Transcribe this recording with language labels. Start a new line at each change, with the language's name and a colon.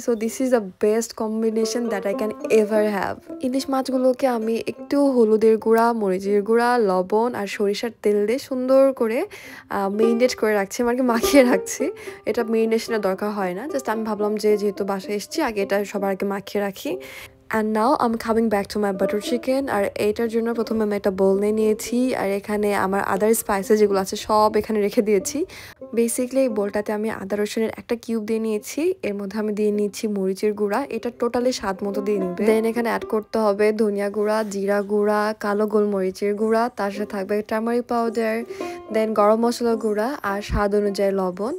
English: So this is the best combination that I can ever have.
Bangla: ইলিশ মাছগুলোকে আমি একটু হলুদের গুঁড়া, মরিচের গুঁড়া, লবণ আর সরিষার তেল দিয়ে সুন্দর করে মেরিনেট করে রাখছি, আমাকে মাখিয়ে রাখছি। এটা মেরিনেশনের দরকার হয় না, জাস্ট আমি ভাবলাম যে যেহেতু বাসায় এসেছি আগে এটা সবার আগে মাখিয়ে রাখি।
English: And now I'm coming back to my butter chicken.
Bangla: আর এইটার জন্য প্রথমে আমি একটা বোল নিয়েছি, আর এখানে আমার আদার স্পাইসেস যেগুলো আছে সব এখানে রেখে দিয়েছি। বেসিক্যালি এই বোলটাতে আমি আদা রসুনের একটা কিউব দিয়ে নিয়েছি, এর মধ্যে আমি দিয়ে নিয়েছি মরিচের গুঁড়া, এটা টোটালি স্বাদ মতো দিয়ে নিবে। দেন এখানে অ্যাড করতে হবে ধনিয়া গুঁড়া, জিরা গুঁড়া, কালো গোলমরিচের গুঁড়া, তার সাথে থাকবে টার্মারিক পাউডার, দেন গরম মশলা গুঁড়া, আর স্বাদ অনুযায়ী লবণ।